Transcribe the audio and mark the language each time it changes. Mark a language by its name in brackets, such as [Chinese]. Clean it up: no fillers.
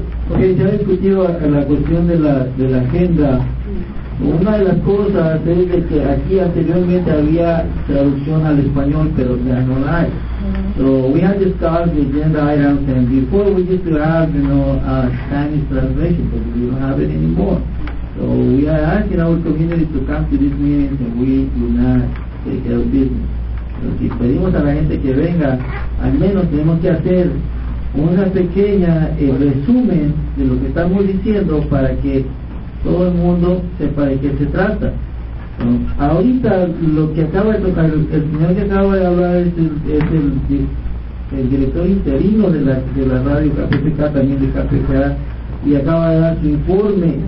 [Spanish] Okay, ya discutió la cuestión de la agenda. Una de las cosas es de que aquí anteriormente había traducción al español, pero ya no la hay. [English] So we had discussed the agenda items, and before we used to have, you know, a Spanish translation, but we don't have it anymore. So we are asking our community to come to this meeting, and we do not take care of business. [Spanish] So si pedimos a la gente que venga, al menos tenemos que hacer una pequeña resumen de lo que estamos diciendo para que todo el mundo sepa de qué se trata. Ahorita lo que acaba de tocar el señor que acaba de hablar es el director interino de la radio KPFK, también de KPFK, y acaba de dar su informe.